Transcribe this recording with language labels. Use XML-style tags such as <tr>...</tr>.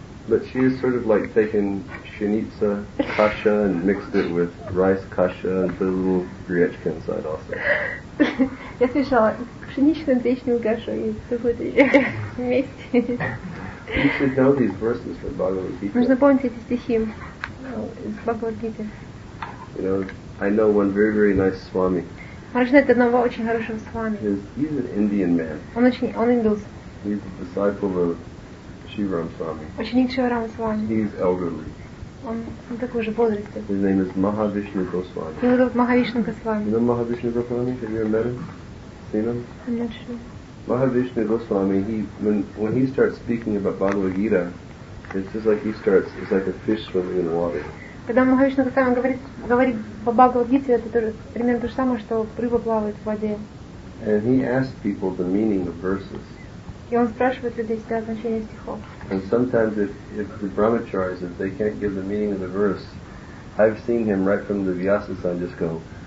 <en>But she has sort of like taken shenitsa kasha and mixed it with rice kasha and put a little gryachka inside also.</en> <ru>Я слышала пшеничную гречневую кашу и какую-то вместе.</ru> <en>You should know these verses from Bhagavad Gita.</en> <ru>Нужно помнить эти стихи из Бхагавад Гиты.</ru> <en>You know, I know one very, very nice swami.</en> <ru>Можно знать одного очень хорошего свами.</ru> <en>He's an Indian man.</en> <ru>Он индус.</ru> <en>He's a disciple of Shivaram Swami.</en> <ru>Ученик Шиварам Свами.</ru> <en>He's elderly.</en> <ru>Он такой же возраст.</ru> <en>His name is Mahavishnu Goswami.</en> <ru>Его зовут Махавишну Госвами.</ru> <en>You know Mahavishnu Goswami? Have you ever met him? Seen him? I'm not sure. Mahavishnu Goswami, he when he starts speaking about Bhagavad Gita, It's just like he starts, it's like a fish swimming in water.</en> <ru>Когда Махавишна Госвами говорит по Бхагавад-гите, это тоже примерно то же самое, что рыба плавает в воде.</ru> <en>And he asks people the meaning of verses.</en> <ru>И он спрашивает людей всегда значение стихов.</ru> <en>And sometimes if the brahmacharis, if they can't give the meaning of the verse, I've seen him right from the Vyasa sign just go,</en>